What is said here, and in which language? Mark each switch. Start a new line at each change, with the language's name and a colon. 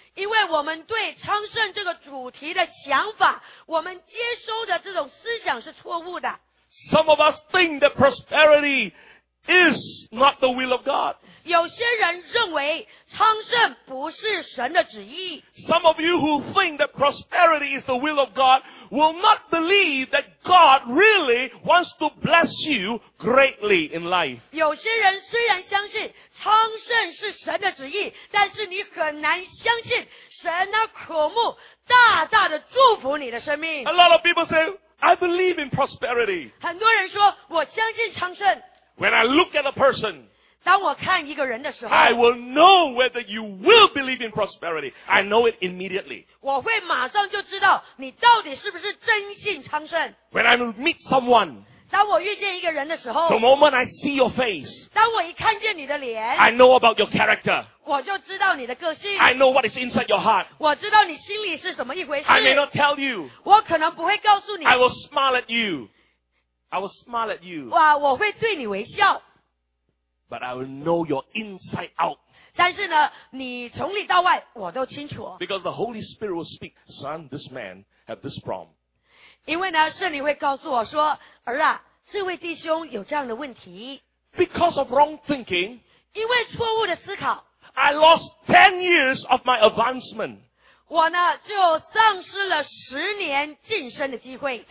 Chinese: 因为我们对昌盛这个主题的想法，我们接收的这种思想是错误的。
English: Some of us think that prosperity is not the will of God.
Chinese: 有些人认为昌盛不是神的旨意。
English: Some of you who think that prosperity is the will of God will not believe that God really wants to bless you greatly in life.
Chinese: 有些人虽然相信昌盛是神的旨意，但是你很难相信神他渴慕大大的祝福你的生命。
English: A lot of people say, I believe in prosperity.
Chinese: 很多人说我相信昌盛。
English: When I look at a person,
Chinese: 当我看一个人的时候，
English: I will know whether you will believe in prosperity. I know it immediately.
Chinese: 我会马上就知道你到底是不是真信昌盛。
English: When I meet someone,
Chinese: 当我遇见一个人的时候，
English: the moment I see your face,
Chinese: 当我一看见你的脸，
English: I know about your character.
Chinese: 我就知道你的个性。
English: I know what is inside your heart.
Chinese: 我知道你心里是怎么一回事。
English: I may not tell you.
Chinese: 我可能不会告诉你。
English: I will smile at you. I will smile at you.
Chinese: 哇，我会对你微笑。
English: But I will know your inside out.
Chinese: 但是呢，你从里到外我都清楚。
English: Because the Holy Spirit will speak, son, this man have this problem.
Chinese: 因为呢，圣灵会告诉我说，儿啊，这位弟兄有这样的问题。
English: Because of wrong thinking.
Chinese: 因为错误的思考。
English: I lost 10 years of my advancement.
Chinese: 我呢就丧失了十年晋升的机会。